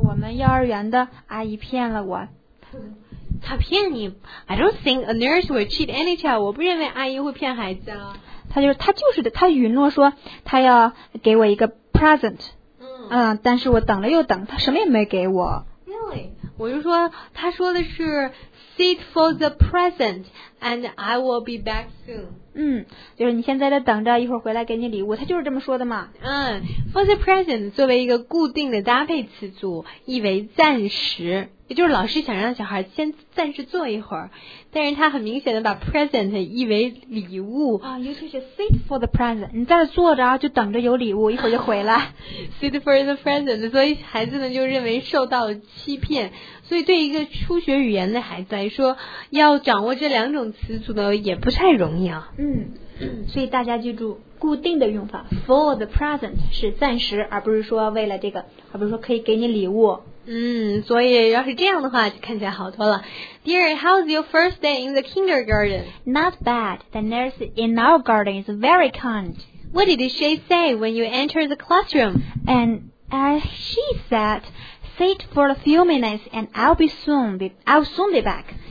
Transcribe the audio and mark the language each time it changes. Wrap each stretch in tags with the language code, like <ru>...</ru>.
<zh>我们幼儿园的阿姨骗了我。她骗你？</zh> <en>I don't think a nurse would cheat any child,</en> <zh>我不认为阿姨会骗孩子啊。她就是的，她允诺说她要给我一个 present, 但是我等了又等，她什么也没给我。我就说他说的是</zh> <en>sit for the present and I will be back soon.</en> <zh>就是你现在在等着，一会儿回来给你礼物，他就是这么说的嘛。</zh> <en>For the present</en> <zh>作为一个固定的搭配词组，意为暂时，也就是老师想让小孩先暂时坐一会儿，但是他很明显的把 present 意为礼物啊，尤其是</zh> <en>sit for the present,</en> <zh>你在这坐着就等着有礼物，一会儿就回来。</zh> <en>sit for the present,</en> <zh>所以孩子们就认为受到欺骗，所以对一个初学语言的孩子来说，要掌握这两种词组呢也不太容易啊。所以大家记住固定的用法</zh> <en>for the present</en> <zh>是暂时，而不是说为了这个，而不是说可以给你礼物。所以要是这样的话就看起来好多了。</zh> <en>Dear, how's your first day in the kindergarten? Not bad. The nurse in our garden is very kind. What did she say when you entered the classroom? And she said, sit for a few minutes and I'll soon be back.</en>